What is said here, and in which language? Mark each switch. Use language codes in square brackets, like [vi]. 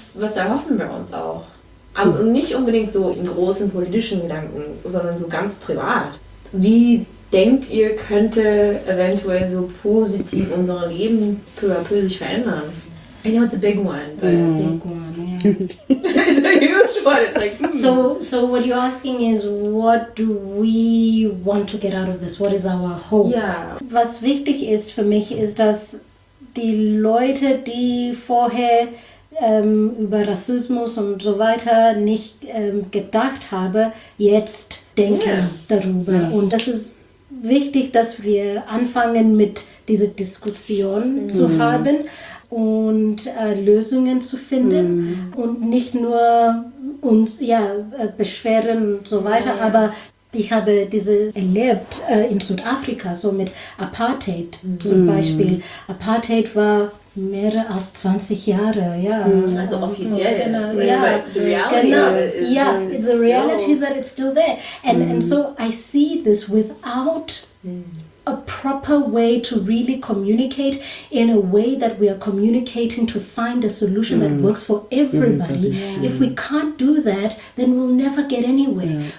[de] Was erhoffen wir uns auch? Aber nicht unbedingt so in großen politischen Gedanken, sondern so ganz privat. Wie denkt ihr, könnte eventuell so positiv unser Leben peu à peu sich verändern? [en] I know it's a big one. It's a big one, yeah. It's a huge one. It's like, So what you're asking is, what do we want to get out of this? What is our hope? Yeah. [de] Was wichtig ist für mich, ist, dass die Leute, die vorher über Rassismus und so weiter nicht gedacht habe, jetzt denke darüber. Ja. Und das ist wichtig, dass wir anfangen, mit dieser Diskussion zu haben und Lösungen zu finden und nicht nur uns beschweren und so weiter. Ja. Aber ich habe diese erlebt in Südafrika, so mit Apartheid zum Beispiel. Apartheid war mehr als 20 Jahre, ja. Also offiziell. Genau, ja. [en] The reality is that it's still there. And and so I see this without a proper way to really communicate in a way that we are communicating to find a solution that works for everybody. If we can't do that, then we'll never get anywhere. Yeah.